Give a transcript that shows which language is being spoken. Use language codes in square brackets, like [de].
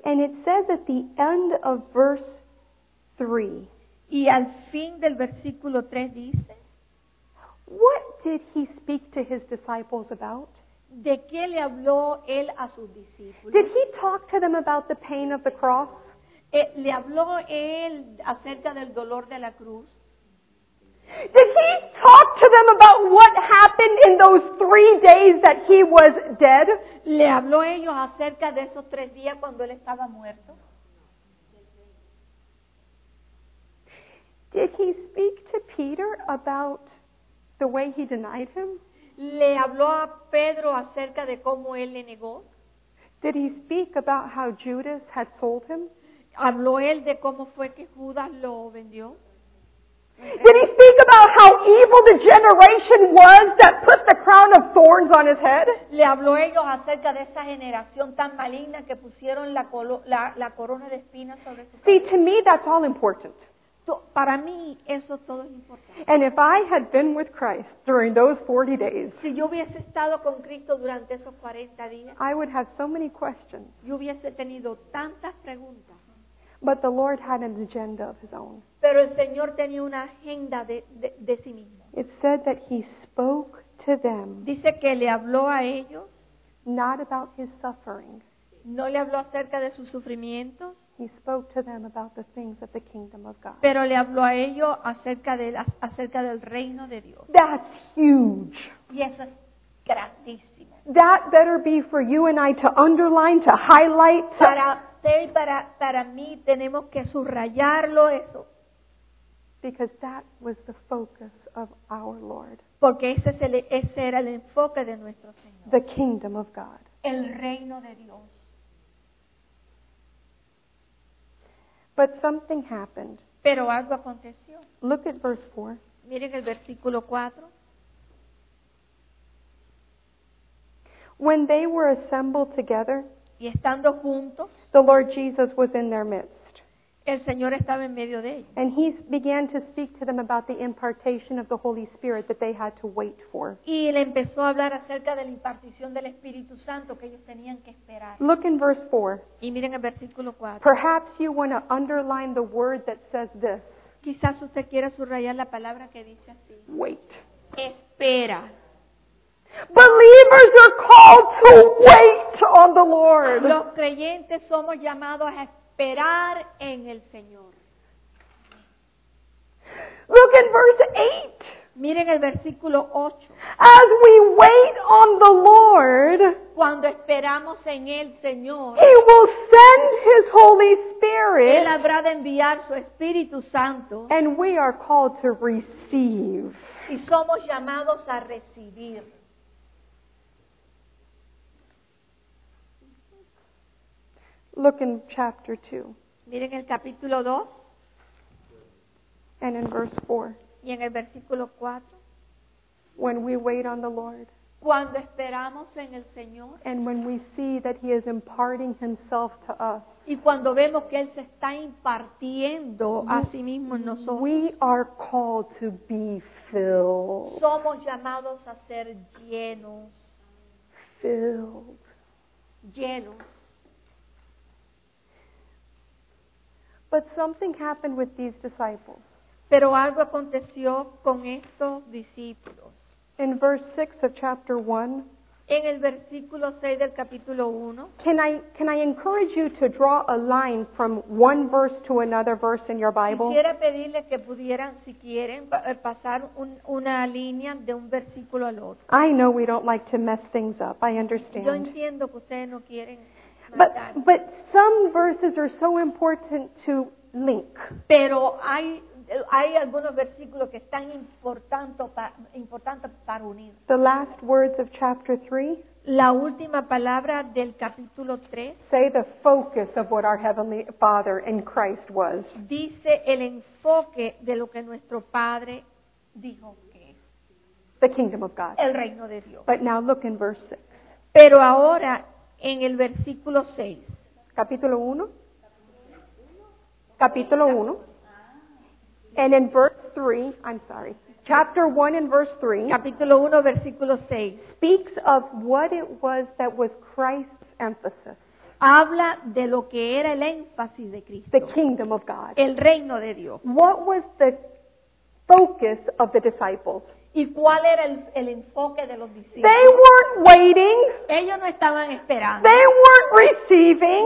[en] And it says at the end of verse 3. [es] Y al fin del versículo 3 dice. [en] What did he speak to his disciples about? [es] ¿De qué le habló él a sus discípulos? [en] Did he talk to them about the pain of the cross? [es] ¿Le habló él acerca del dolor de la cruz? [en] Did he talk to them about what happened in those 3 days that he was dead? [es] ¿Le habló ellos acerca de esos 3 días cuando él estaba muerto? [en] Did he speak to Peter about the way he denied him? [es] ¿Le habló a Pedro acerca de cómo él le negó? [en] Did he speak about how Judas had sold him? [es] ¿Habló él de cómo fue que Judas lo vendió? [en] Did he speak about how evil the generation was that put the crown of thorns on his head? [es] ¿Le habló ellos acerca de esa generación tan maligna que pusieron la corona de espinas sobre su cabeza? [en] See, to me that's all important. [es] Para mí, eso todo es importante. [en] And if I had been with Christ during those 40 days, [es] si yo hubiese estado con Cristo durante esos 40 días, [en] I would have so many questions. [es] Yo hubiese tenido tantas preguntas. [en] But the Lord had an agenda of his own. [es] Pero el Señor tenía una agenda de sí mismo. [en] It said that he spoke to them. [es] Dice que le habló a ellos. [en] Not about his suffering. [es] No le habló acerca de sus sufrimientos. [en] He spoke to them about the things of the kingdom of God. [es] Pero le habló a ellos acerca del reino de Dios. [en] That's huge. [es] Y eso es grandísimo. [en] That better be for you and I to underline, to highlight. [es] Para mí tenemos que subrayarlo eso. [en] Because that was the focus of our Lord. [es] Porque ese era el enfoque de nuestro Señor. [en] The kingdom of God. [es] El reino de Dios. [en] But something happened. [es] Pero algo aconteció. [en] Look at verse 4. [es] Miren el versículo 4. [en] When they were assembled together, [es] y estando juntos, [en] the Lord Jesus was in their midst. [es] El Señor estaba en medio de ellos. [en] And he began to speak to them about the impartation of the Holy Spirit that they had to wait for. [es] Y él empezó a hablar acerca de la impartición del Espíritu Santo que ellos tenían que esperar. [en] Look in verse 4. [es] Y miren el versículo 4. [en] Perhaps you want to underline the word that says this. [es] Quizás usted quiera subrayar la palabra que dice así. [en] Wait. [es] Espera. [en] Believers are called to wait on the Lord. [es] Los creyentes somos llamados a esperar en el Señor. [en] Look at verse 8. [es] Miren el versículo 8. [en] As we wait on the Lord, [es] cuando esperamos en el Señor, [en] He will send His Holy Spirit. [es] Él habrá de enviar su Espíritu Santo. [en] And we are called to receive. [es] Y somos llamados a recibir. [en] Look in chapter 2. [es] Miren el capítulo 2. [en] And in verse 4. [es] Y en el versículo 4. [en] When we wait on the Lord. [es] Cuando esperamos en el Señor. [en] And when we see that He is imparting Himself to us. [es] Y cuando vemos que Él se está impartiendo a sí mismo en nosotros. [en] We are called to be filled. [es] Somos llamados a ser llenos. [en] Filled. [es] Llenos. [en] But something happened with these disciples. [es] Pero algo aconteció con estos discípulos. [en] In verse 6 of chapter 1. [es] en el versículo 6 del capítulo 1. [en] Can I encourage you to draw a line from one verse to another verse in your Bible? [es] Quisiera pedirles que pudieran, si quieren, pasar una línea de un versículo al otro. [en] I know we don't like to mess things up. I understand. [es] Yo entiendo que ustedes no quieren. [en] But some verses are so important to link. [es] Pero hay algunos versículos que están importantes para unir. [en] The last words of chapter 3. [es] La última palabra del capítulo 3. [en] Say the focus of what our Heavenly Father in Christ was. [es] Dice el enfoque de lo que nuestro Padre dijo que [en] es. The kingdom of God. [es] El reino de Dios. [en] But now look in verse 6. [es] Pero ahora en el versículo 6. Capítulo 1. Capítulo 1. [en] And in verse 3, I'm sorry. Chapter 1 and verse 3. [es] Capítulo 1, versículo 6. [en] Speaks of what it was that was Christ's emphasis. [es] Habla de lo que era el énfasis de Cristo. [en] The kingdom of God. [es] El reino de Dios. [en] What was the focus of the disciples? [es] ¿Y cuál era el enfoque de los discípulos? [en] They weren't waiting. [es] Ellos no estaban esperando. [en] They weren't receiving.